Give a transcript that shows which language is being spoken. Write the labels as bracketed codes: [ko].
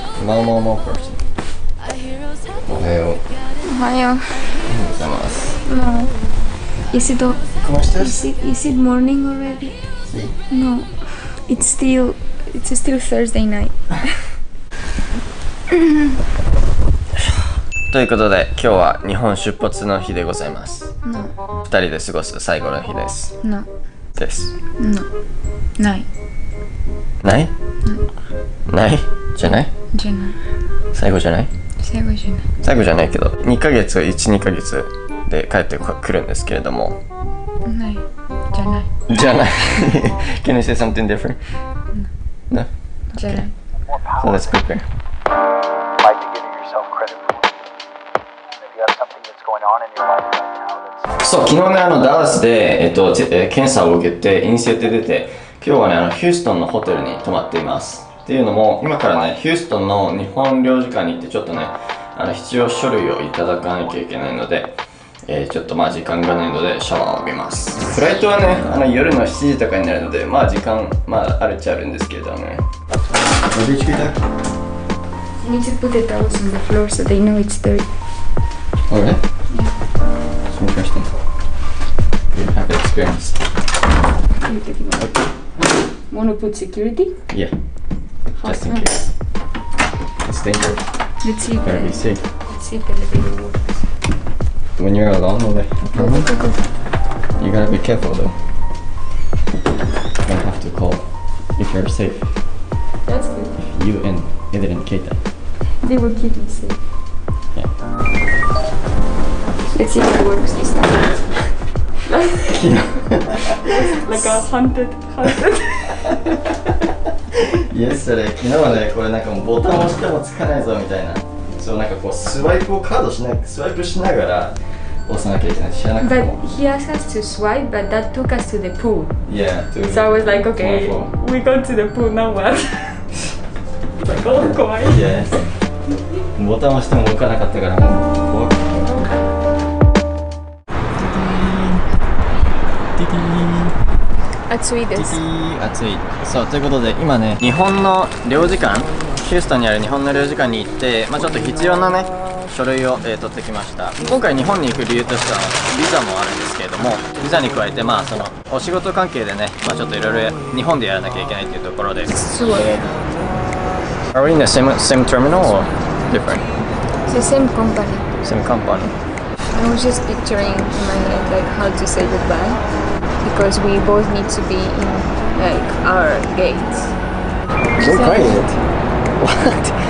[en] No person. Ohayo. Ohayo. Namaste. No. Is it [es] ¿Cómo estás? [en] Is it morning already? [es] Sí. [en] No. It's still Thursday night. [ja] ということで今日は日本出発の日でございます。二、no. 人で過ごす最後の日です。 [en] No. [ja] です。 No. ない。ない？ [en] No. [ja] ない？じゃない？じゃない。最後じゃない？最後じゃない。最後じゃないけど2ヶ月1、2ヶ月で帰ってくるんですけれども。ない。じゃない。じゃない。 [en] Can you say something different? No. No? [ja] じゃない。 [en] So let's prepare. Like to give yourself credit for it. If you have something that's going on in your life right now, that's... [ja] そう、昨日ね、ダラスで、検査を受けて陰性って出て、今日はね、ヒューストンのホテルに泊まっています。っていうのも、今からね、ヒューストンの日本領事館に行って、ちょっとね、必要書類をいただかなきゃいけないので、ちょっとまあ時間がないのでシャワーを浴びます。フライトはね夜の7時とかになるのでまあ時間まああるっちゃあるんですけどね。 [en] What did you get that? You need to put the towels on the floor so they know it's dirty. Oh really? Yeah. That's interesting. You have experience. Okay. Want to put security? Yeah. Just in case. It's dangerous. Let's see. Better be safe. Let's see if anything works. When you're alone, over apartment, you gotta be careful though. You don't have to call if you're safe. That's good. If you and Eden and Keita. They will keep me safe. Yeah. Let's see if it works this time. Like a hunted. [ja] Yesterday, 昨日ね、これなんかもうボタン押してもつかないぞみたいな。そう、なんかこうスワイプをカードしない、スワイプしながら押さなきゃいけない、知らなかった。 [en] But he asked us to swipe, but that took us to the pool. Yeah, so I was like, okay, we go to the pool now what? Like, oh, 怖い。 Yeah. [ja] ボタン押しても動かなかったから、もう怖かった。ディディーン。ディディーン。暑いです。ディディーン、暑い。そう、ということで、今ね、日本の領事館、ヒューストンにある日本の領事館に行って、まぁ、ちょっと必要なね、書類を、取ってきました。今回日本に行く理由としてはビザもあるんですけれども、ビザに加えてまあそのお仕事関係でね、まあちょっといろいろ日本でやらなきゃいけないっていうところです。すごい。 [en] Are we in the same terminal or different? It's the same company. Same company. I was just picturing in my head like how to say goodbye because we both need to be in like our gates. So quiet. What?